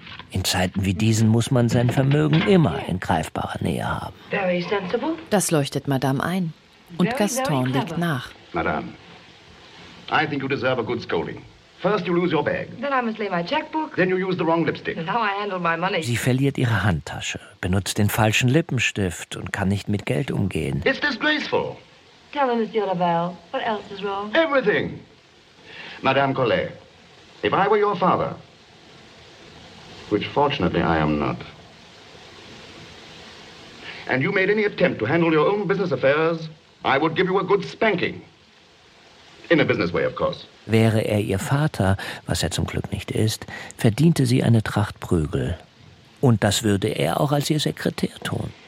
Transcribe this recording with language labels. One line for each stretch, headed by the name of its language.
German: In Zeiten wie diesen muss man sein Vermögen immer in greifbarer Nähe haben.
English: Very sensible.
German: Das leuchtet Madame ein. Und Gaston legt nach.
English: Madame, I think you deserve a good scolding. First you lose your bag. Then I mislay my checkbook. Then you use the wrong lipstick. Now I handle my money.
German: Sie verliert ihre Handtasche, benutzt den falschen Lippenstift und kann nicht mit Geld umgehen.
English: It's disgraceful. Tell him, Monsieur Lavelle, what else is wrong? Everything. Madame Collet, if I were your father, which fortunately I am not, and you made any attempt to handle your own business affairs, I would give you a good spanking. In a business way, of course.
German: Wäre er ihr Vater, was er zum Glück nicht ist, verdiente sie eine Tracht Prügel. Und das würde er auch als ihr Sekretär tun.